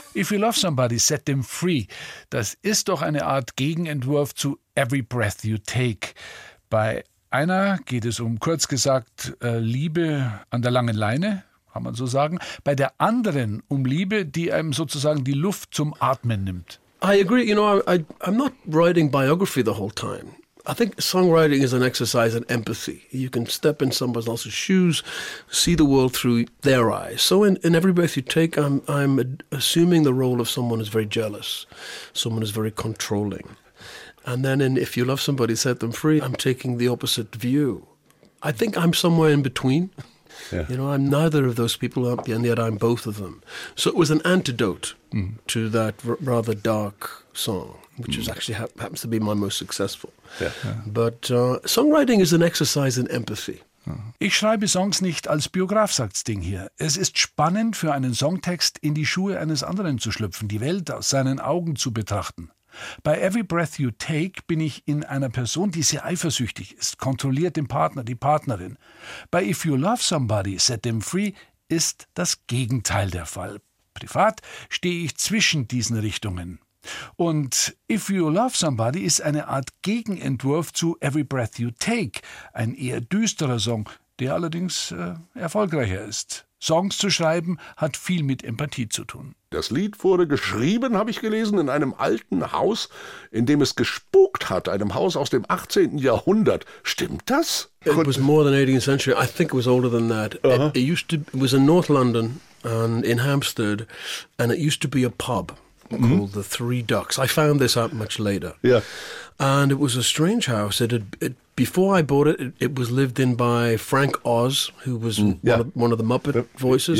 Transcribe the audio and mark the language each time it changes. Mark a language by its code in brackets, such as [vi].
[en] you love somebody, set them free. [de] Das ist doch eine Art Gegenentwurf zu Every Breath You Take. Bei einer geht es um, kurz gesagt, Liebe an der langen Leine, kann man so sagen. Bei der anderen um Liebe, die einem sozusagen die Luft zum Atmen nimmt. [en] I agree. You know, I'm not writing biography the whole time. I think songwriting is an exercise in empathy. You can step in somebody else's shoes, see the world through their eyes. So in Every Breath You Take, I'm assuming the role of someone who's very jealous, someone who's very controlling. And then in If You Love Somebody, Set Them Free, I'm taking the opposite view. I think I'm somewhere in between. Yeah. You know, I'm neither of those people, and yet I'm both of them. So it was an antidote to that rather dark song, which is actually happens to be my most successful. Yeah. But songwriting is an exercise in empathy. [de] Ich schreibe Songs nicht als Biograf, sagt Sting hier. Es ist spannend für einen Songtext, in die Schuhe eines anderen zu schlüpfen, die Welt aus seinen Augen zu betrachten. Bei Every Breath You Take bin ich in einer Person, die sehr eifersüchtig ist, kontrolliert den Partner, die Partnerin. Bei If You Love Somebody, Set Them Free ist das Gegenteil der Fall. Privat stehe ich zwischen diesen Richtungen. Und If You Love Somebody ist eine Art Gegenentwurf zu Every Breath You Take, ein eher düsterer Song, der allerdings erfolgreicher ist. Songs zu schreiben hat viel mit Empathie zu tun. Das Lied wurde geschrieben, habe ich gelesen, in einem alten Haus, in dem es gespukt hat, einem Haus aus dem 18. Jahrhundert. Stimmt das? [en] It was more than 18th century. I think it was older than that. It was in North London and in Hampstead and it used to be a pub called The Three Ducks. I found this out much later. Yeah. And it was a strange house. Before I bought it, it was lived in by Frank Oz, who was one of the Muppet voices.